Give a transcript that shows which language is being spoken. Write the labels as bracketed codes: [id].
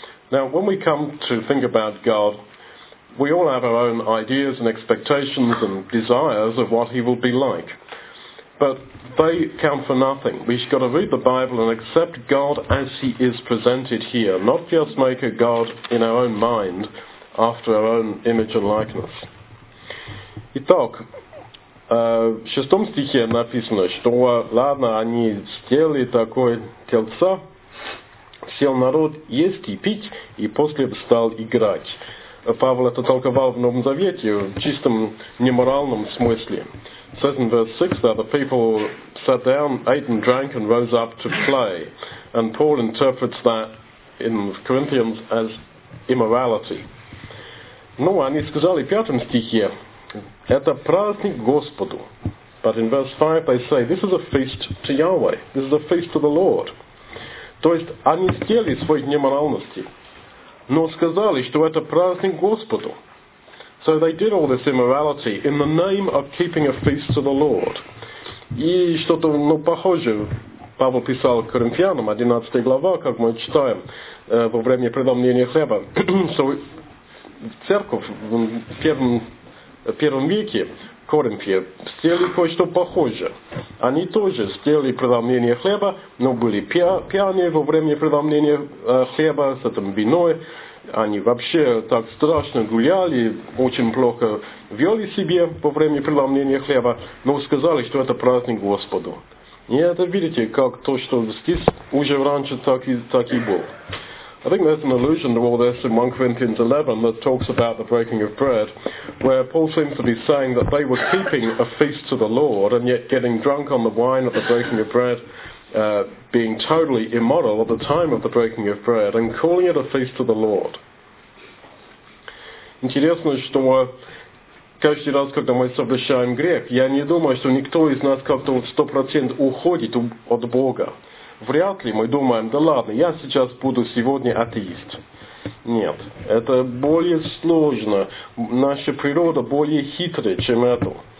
[en] Now, when we come to think about God, we all have our own ideas and expectations and desires of what He will be like. But they count for nothing. We've got to read the Bible and accept God as He is presented here, not just make a God in our own mind after our own image and likeness. [ru] Итак, В шестом стихе написано, что ладно, они сделали такое тельце, сел народ есть и пить, и после стал играть. Павел это толковал в Новом Завете в чистом неморальном смысле. [en] It says in verse 6 that the people sat down, ate and drank, and rose up to play. And Paul interprets that in Corinthians as immorality. [ru] Ну, они сказали в пятом стихе, это праздник Господу. [en] But in verse 5 they say, this is a feast to Yahweh, this is a feast to the Lord. [ru] То есть они сделали свои неморальности, но сказали, что это праздник Господу. [en] So they did all this immorality in the name of keeping a feast to the Lord. [ru] И что-то, ну, похоже, Павел писал Коринфянам, 11 глава, как мы читаем, во время преломления хлеба, что церковь в первом веке в Коринфе сделали кое-что похожее. Они тоже сделали преломление хлеба, но были пьяны во время преломления хлеба с этим виной. Они вообще так страшно гуляли, очень плохо вели себе во время преломления хлеба, но сказали, что это праздник Господу. И это, видите, как то, что здесь уже раньше так и было. [en] I think there's an allusion to all this in 1 Corinthians 11 that talks about the breaking of bread, where Paul seems to be saying that they were keeping a feast to the Lord and yet getting drunk on the wine of the breaking of bread, being totally immoral at the time of the breaking of bread and calling it a feast to the Lord. [ru] Интересно, что каждый раз, когда мы совершаем грех, я не думаю, что никто из нас как-то 100% уходит от Бога. Вряд ли мы думаем, да ладно, я сейчас буду сегодня атеист. Нет, это более сложно. Наша природа более хитрая, чем это.